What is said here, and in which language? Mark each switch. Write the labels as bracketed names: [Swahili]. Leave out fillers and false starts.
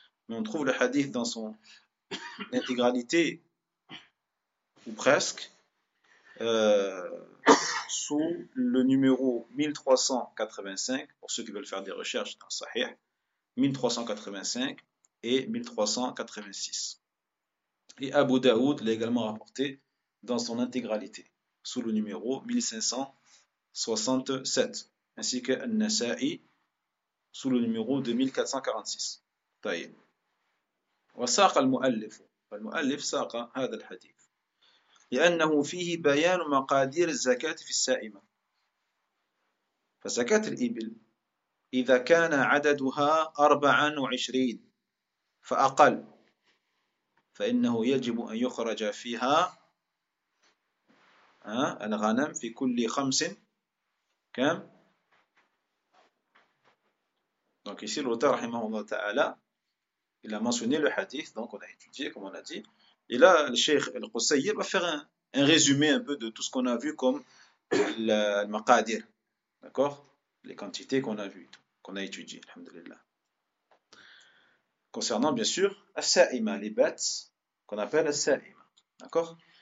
[French] Mais on trouve le hadith dans son intégralité, ou presque, sous le numéro 1385, pour ceux qui veulent faire des recherches dans Sahih, 1385 et 1386. Et Abu Daoud l'a également rapporté dans son intégralité, sous le numéro 1567, ainsi que Al-Nasa'i, sous le numéro 2446. Taïm. [Arabic] وساق المؤلف فالمؤلف ساق هذا الحديث لأنه فيه بيان مقادير الزكاة في السائمة فزكاة الإبل إذا كان عددها 24 فأقل فإنه يجب أن يخرج فيها الغنم في كل خمس كم دونك يصير رحمه الله تعالى [French] Il a mentionné le hadith, donc on a étudié, comme on a dit. Et là, le cheikh Al-Qusayyib va faire un résumé un peu de tout ce qu'on a vu comme le maqadir. D'accord? Les quantités qu'on a vues, qu'on a étudiées, alhamdulillah. Concernant, bien sûr, as-sa'ima, les bêtes qu'on appelle as-sa'ima. D'accord?